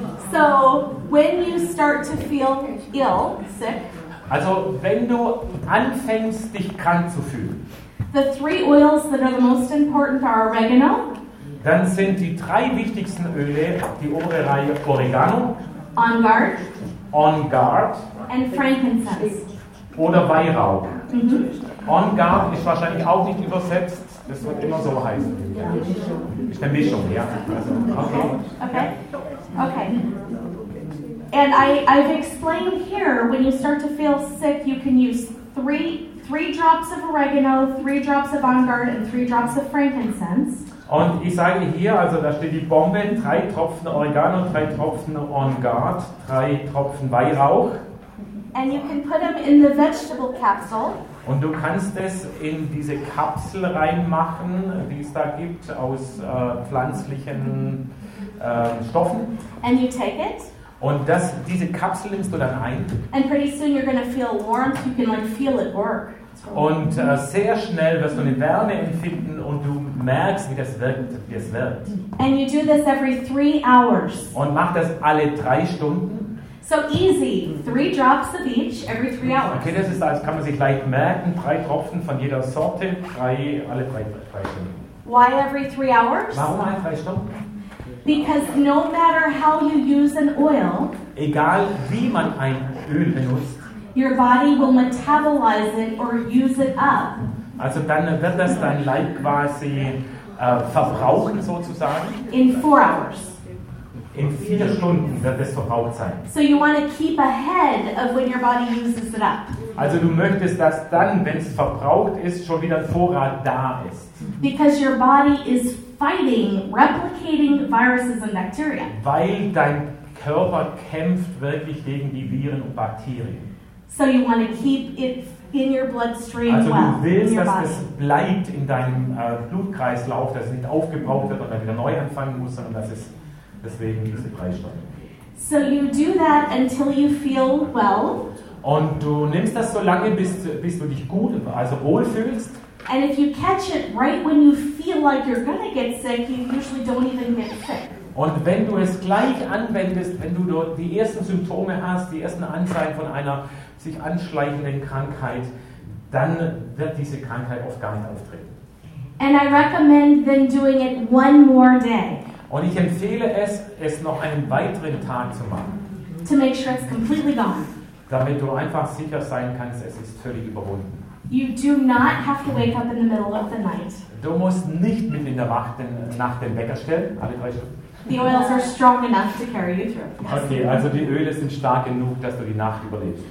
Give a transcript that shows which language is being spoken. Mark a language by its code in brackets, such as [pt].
[en] so when you start to feel ill, sick. [de] Also wenn du anfängst, dich krank zu fühlen. [en] The three oils that are the most important are oregano. [de] Dann sind die drei wichtigsten Öle die obere Reihe Oregano. [en] On guard. On guard. And frankincense. [de] Oder Weihrauch. Mm-hmm. On guard ist wahrscheinlich auch nicht übersetzt. Das wird immer so heißen. Ja. Ist eine Mischung, ja. Also, okay. [en] And I've explained here, when you start to feel sick, you can use three drops of oregano, three drops of on guard, and three drops of frankincense. [de] Und ich sage hier, also da steht die Bombe, drei Tropfen Oregano, drei Tropfen on guard, drei Tropfen Weihrauch. [en] And you can put them in the vegetable capsule. [de] Und du kannst es in diese Kapsel reinmachen, die es da gibt, aus pflanzlichen Stoffen. [en] And you take it. [de] Und das, diese Kapsel nimmst du dann ein. [en] And pretty soon you're going to feel warmth, you can like feel it work. [de] Und sehr schnell wirst du eine Wärme empfinden und du merkst, wie es wirkt. [en] And you do this every 3 hours. [de] Und mach das alle 3 Stunden. [en] So easy, 3 drops of each every 3 hours. [de] Okay, das ist, das kann man sich leicht merken, 3 Tropfen von jeder Sorte, alle drei Stunden. [en] Why every 3 hours? [de] Warum alle 3 Stunden? [en] Because no matter how you use an oil, [de] egal wie man ein Öl benutzt, [en] your body will metabolize it or use it up. [de] Also dann wird das dein Leib quasi verbrauchen sozusagen. [en] In 4 hours. [de] In 4 Stunden wird es verbraucht sein. [en] So you want to keep ahead of when your body uses it up. [de] Also du möchtest, dass dann, wenn es verbraucht ist, schon wieder Vorrat da ist. [en] Because your body is fighting, replicating viruses and bacteria. [de] Weil dein Körper kämpft wirklich gegen die Viren und Bakterien. [en] So you want to keep it in your bloodstream. [de] Also [en] well, [de] du willst, dass [en] body. [de] Es bleibt in deinem Blutkreislauf, dass es nicht aufgebraucht wird und dann wieder neu anfangen muss, sondern dass es deswegen diese 3 Stunden. [en] So you do that until you feel well. [de] Und du nimmst das so lange, bis du dich gut, also wohl fühlst. [en] And if you catch it right when you feel like you're going to get sick, you usually don't even get sick. [de] Und wenn du es gleich anwendest, wenn du dort die ersten Symptome hast, die ersten Anzeichen von einer sich anschleichenden Krankheit, dann wird diese Krankheit oft gar nicht auftreten. [en] And I recommend then doing it one more day. [de] Und ich empfehle es, es noch einen weiteren Tag zu machen. [en] To make sure it's completely gone. [de] Damit du einfach sicher sein kannst, es ist völlig überwunden. [en] You do not have to wake up in the middle of the night. [de] Du musst nicht mitten in der Nacht den Wecker stellen, alle 3 Stunden. [en] The oils are strong enough to carry you through. Yes. [de] Okay, also die Öle sind stark genug, dass du die Nacht überlebst.